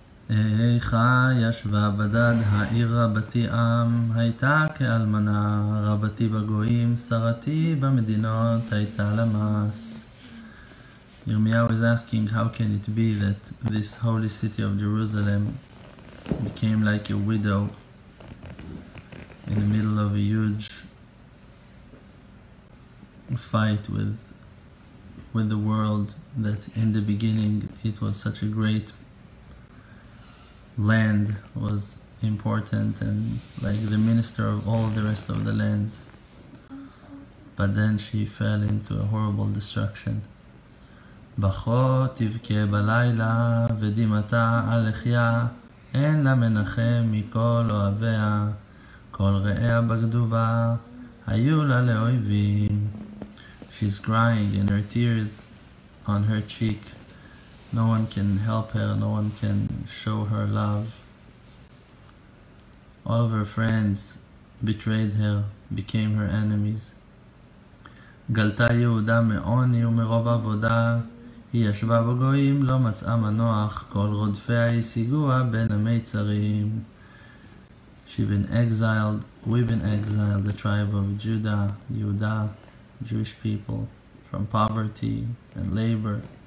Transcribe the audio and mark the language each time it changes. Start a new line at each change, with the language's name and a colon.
Hebrew: איכה ישבה בדד העיר רבתי עם, הייתה כאלמנה רבתי בגויים, שרתי במדינות הייתה למס.
English: Yirmiyahu is asking, how can it be that this holy city of Jerusalem became like a widow in the middle of a huge fight with the world, that in the beginning it was such a great land, was important and like the minister of all the rest of the lands, but then she fell into a horrible destruction.
Hebrew: בכה תבכה בלילה ודמעתה על לחייה, אין לה מנחם מכל אוהביה, כל רעיה בגדו בה, היו לה לאויבים.
English: She's crying and her tears on her cheek. No one can help her, no one can show her love. All of her friends betrayed her, became her enemies.
Hebrew: גלתה יהודה מעוני ומרוב עבודה, היא ישבה בגויים, לא מצאה מנוח, כל רודפיה השיגוה בין המיצרים.
English: She's been exiled, we've been exiled, the tribe of Judah, Yehuda, Jewish people, from poverty and labor.